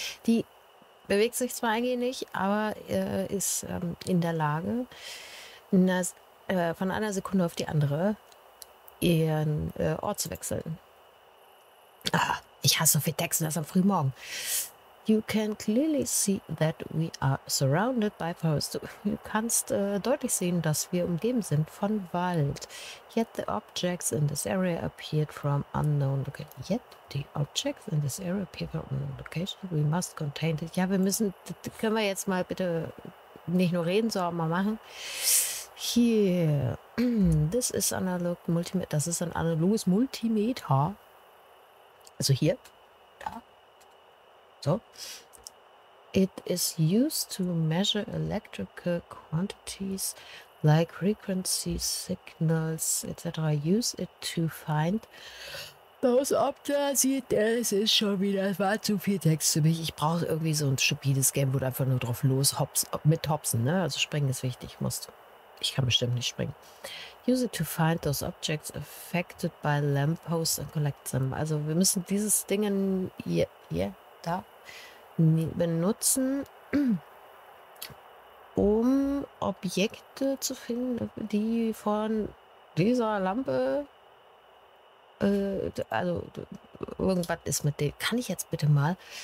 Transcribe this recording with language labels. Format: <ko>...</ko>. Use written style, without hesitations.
<de>Die bewegt sich zwar eigentlich nicht, aber ist in der Lage, von einer Sekunde auf die andere ihren Ort zu wechseln. Ah, ich hasse so viel Texten, das am frühen Morgen.</de> <en>You can clearly see that we are surrounded by forest.</en> <de>Du kannst deutlich sehen, dass wir umgeben sind von Wald.</de> <en>Yet the objects in this area appeared from unknown location. Yet the objects in this area appeared from unknown location. We must contain it.</en> <de>Ja, wir müssen, das können wir jetzt mal bitte nicht nur reden, sondern mal machen.</de> <en>Hier, this is analog Multimeter.</en> <de>Das ist ein analoges Multimeter. Also hier, da. So.</de> <en>It is used to measure electrical quantities like frequency signals etc. Use it to find those objects.</en> <de>Es ist schon wieder, es war zu viel Text für mich. Ich brauche irgendwie so ein stupides Game, wo du einfach nur drauf los hops, mit hopsen, ne? Also springen ist wichtig. Ich kann bestimmt nicht springen.</de> <en>Use it to find those objects affected by lampposts and collect them.</en> <de>Also wir müssen dieses Ding hier, da benutzen, um Objekte zu finden, die von dieser Lampe Also, irgendwas ist mit dem. Kann ich jetzt bitte mal?</de>